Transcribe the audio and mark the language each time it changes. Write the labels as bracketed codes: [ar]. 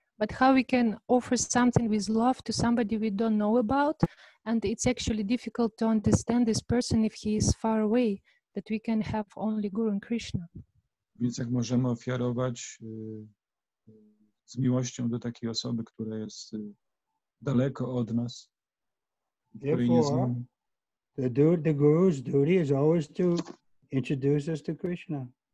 [en] But how we can offer something with love to somebody we don't know about, and it's actually difficult to understand this person if he is far away, that we can have only Guru and Krishna. [pl] Więc jak możemy ofiarować z miłością do takiej osoby, która jest daleko od nas, której nie znamy. [en] The Guru's duty is always to introduce us to Krishna.